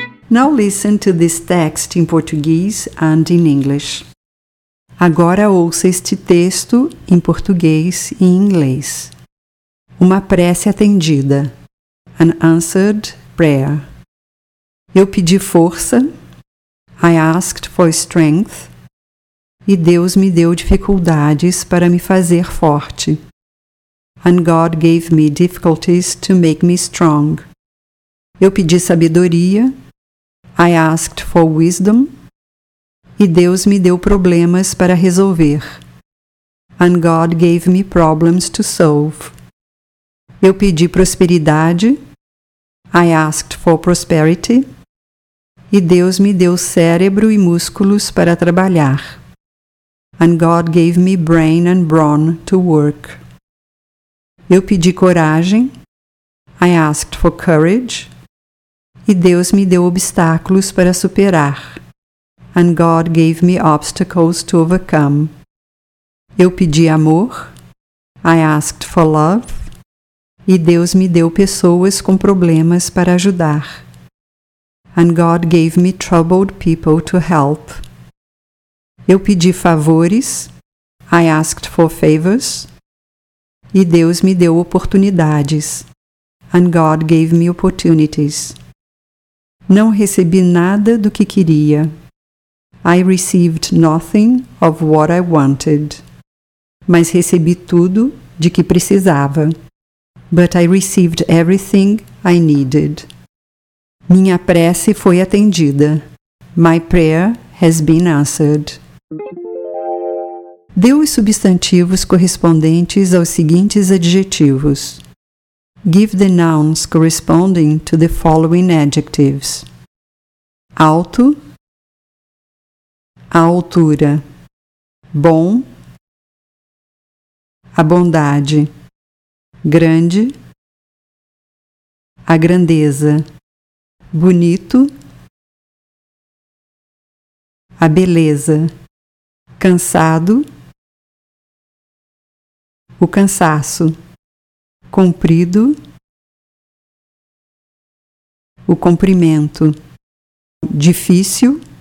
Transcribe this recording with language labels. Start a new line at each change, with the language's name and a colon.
English: Now listen to this text in Portuguese and in English.
Portuguese: Agora ouça este texto em português e em inglês. Uma prece atendida.
English: An answered prayer.
Portuguese: Eu pedi força.
English: I asked for strength.
Portuguese: E Deus me deu dificuldades para me fazer forte.
English: And God gave me difficulties to make me strong.
Portuguese: Eu pedi sabedoria.
English: I asked for wisdom.
Portuguese: E Deus me deu problemas para resolver.
English: And God gave me problems to solve.
Portuguese: Eu pedi prosperidade.
English: I asked for prosperity.
Portuguese: E Deus me deu cérebro e músculos para trabalhar.
English: And God gave me brain and brawn to work.
Portuguese: Eu pedi coragem.
English: I asked for courage.
Portuguese: E Deus me deu obstáculos para superar.
English: And God gave me obstacles to overcome.
Portuguese: Eu pedi amor.
English: I asked for love.
Portuguese: E Deus me deu pessoas com problemas para ajudar.
English: And God gave me troubled people to help.
Portuguese: Eu pedi favores.
English: I asked for favors.
Portuguese: E Deus me deu oportunidades.
English: And God gave me opportunities.
Portuguese: Não recebi nada do que queria.
English: I received nothing of what I wanted.
Portuguese: Mas recebi tudo de que precisava.
English: But I received everything I needed.
Portuguese: Minha prece foi atendida.
English: My prayer has been answered.
Portuguese: Dê os substantivos correspondentes aos seguintes adjetivos.
English: Give the nouns corresponding to the following adjectives.
Portuguese: Alto. A altura, bom, a bondade, grande, a grandeza, bonito, a beleza, cansado, o cansaço, comprido, o comprimento, difícil,